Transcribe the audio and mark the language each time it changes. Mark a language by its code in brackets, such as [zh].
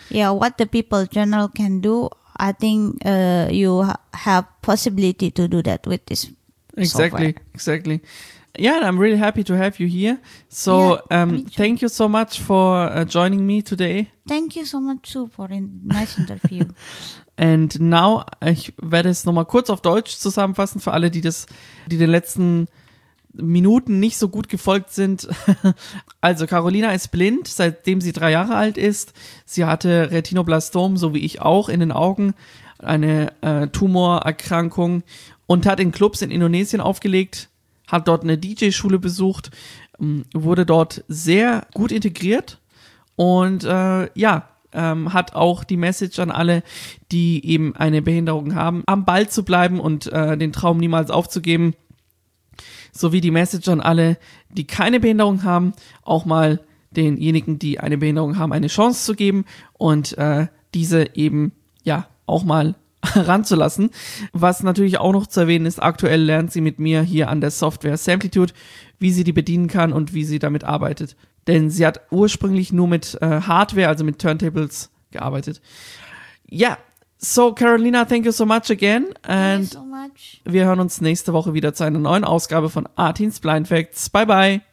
[en] Yeah, what the people general can do, I think you have possibility to do that with this Exactly. Yeah, and I'm really happy to have you here. So thank you so much for joining me today. Thank you so much too for a nice interview. And now [de] ich werde es nochmal kurz auf Deutsch zusammenfassen für alle, die den letzten Minuten nicht so gut gefolgt sind. Also Carolina ist blind, seitdem sie 3 Jahre alt ist. Sie hatte Retinoblastom, so wie ich auch, in den Augen, eine Tumorerkrankung, und hat in Clubs in Indonesien aufgelegt, hat dort eine DJ-Schule besucht, wurde dort sehr gut integriert und hat auch die Message an alle, die eben eine Behinderung haben, am Ball zu bleiben und den Traum niemals aufzugeben. Sowie die Message an alle, die keine Behinderung haben, auch mal denjenigen, die eine Behinderung haben, eine Chance zu geben und diese eben ja auch mal ranzulassen. Was natürlich auch noch zu erwähnen ist, aktuell lernt sie mit mir hier an der Software Samplitude, wie sie die bedienen kann und wie sie damit arbeitet. Denn sie hat ursprünglich nur mit Hardware, also mit Turntables, gearbeitet. [en] Ja, so Carolina, thank you so much again. And thank you so much. [de] Wir hören uns nächste Woche wieder zu einer neuen Ausgabe von Artins Blind Facts. Bye bye.